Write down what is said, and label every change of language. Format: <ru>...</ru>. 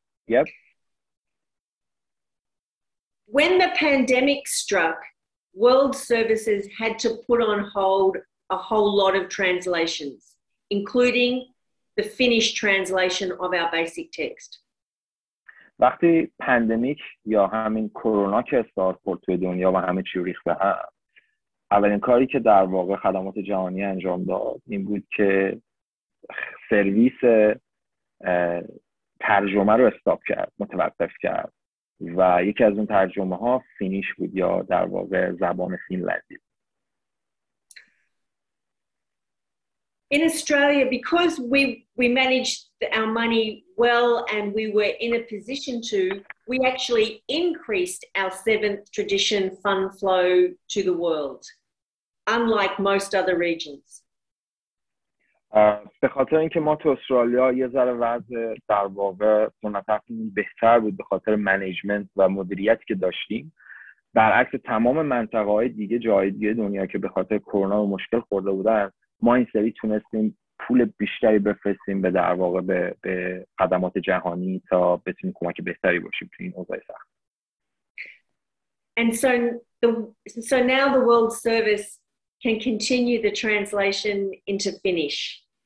<en>Yep. When the pandemic struck, World Services had to put on hold a whole lot of translations, including the Finnish translation of our basic text.</en> <fa>وقتی پندمیک یا همین کرونا که استارت خورد توی دنیا و همه چی ریخت به هم، اولین کاری که در واقع خدمات جهانی انجام داد این بود که سرویس ترجمه رو استاپ کرد، متوقف کرد و یکی از اون ترجمه ها فینیش بود یا در واقع زبان فینلندی.</fa> <en>In Australia, because we managed our money well and we were in a position to, we actually increased our seventh tradition fund flow to the world, unlike most other regions.</en> <fa>به خاطر اینکه ما تو استرالیا یه ذره وضع در واقع سنتفقی بهتر بود به خاطر منیجمنت و مدیریت که داشتیم، برعکس تمام منطقه های دیگه جای دیگه دنیا که به خاطر کرونا و مشکل خورده بودن، ما این سری تونستیم پول بیشتری بفرستیم به در واقع به خدمات جهانی تا بتونیم کمک بهتری باشیم تو این اوضاع سخت.</fa> <en>And so now the World Service can continue the translation into Finnish.</en>